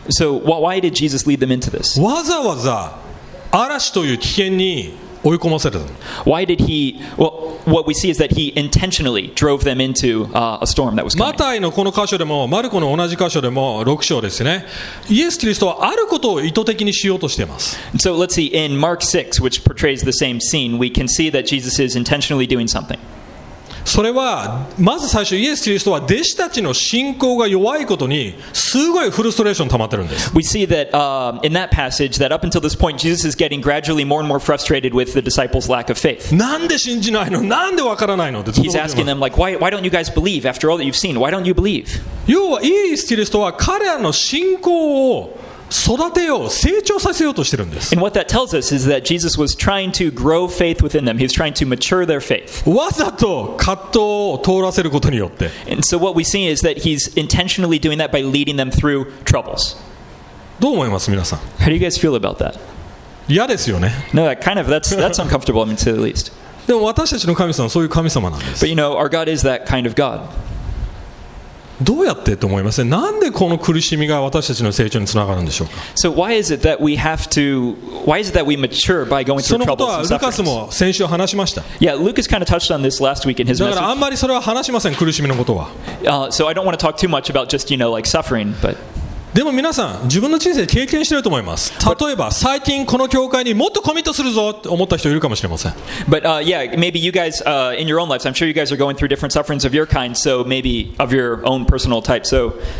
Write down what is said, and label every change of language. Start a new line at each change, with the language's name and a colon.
English: ？So why did Jesus lead them into this?
Japanese: わざわざ嵐という危険に。追い込ませる。
English: Why did he? Well, what we see is that he intentionally drove them into a storm that was coming.
Japanese: マタイのこの箇所でも、マルコの同じ箇所でも、6章ですね。イエス・キリストはあることを意図的にしようとしています。
English: So let's see in Mark 6, which portrays the same scene, we can see that Jesus is intentionally doing something.
Japanese: それはまず最初イエス・キリストは弟子たちの信仰が弱いことにすごいフルストレーション溜まってるんです。
English: We see that in that passage that up until this point Jesus is getting gradually more and more frustrated with the disciples' lack of faith.
Japanese: なんで信じないの？なんでわからないの？って。
English: He's asking them like, why don't you guys believe after all that you've seen? Why don't you believe?
Japanese: 要はイエス・キリストは彼らの信仰を育てよう、成長させようとしてるんです。
English: And what that tells us is that Jesus was trying to grow faith within them. He was trying to mature their faith.
Japanese: わざと葛藤を通らせることによって。
English: And so what we see is that he's intentionally doing that by leading them through troubles.
Japanese: どう思います、皆さん。
English: How do you guys feel about that?
Japanese: 嫌ですよね。
English: No, that kind of, that's uncomfortable, I mean, to the least.
Japanese: でも私たちの神様はそういう神様なんです。
English: But you know, our God is that kind of God.
Japanese: どうやってと思いますね。なんでこの苦しみが私たちの成長につながるんでしょうか。
English: So why is it that we have to? Why is it that we mature by going through troubles and sufferings?
Japanese: そのことはルカスも先週話しました。
English: Yeah, Lucas kind of touched on this last week in his message.
Japanese: だからあんまりそれは話しません。苦しみのことは。
English: So I don't want to talk too much about just, you know, like suffering, but.
Japanese: でも皆さん、自分の人生経験してると思います。例えば、最近この教会にもっとコミットするぞって思った人いるかもしれません。
English: But, yeah, maybe you guys, in your own lives, I'm sure you guys are going through different sufferings of your kind, so maybe of your own personal type, so...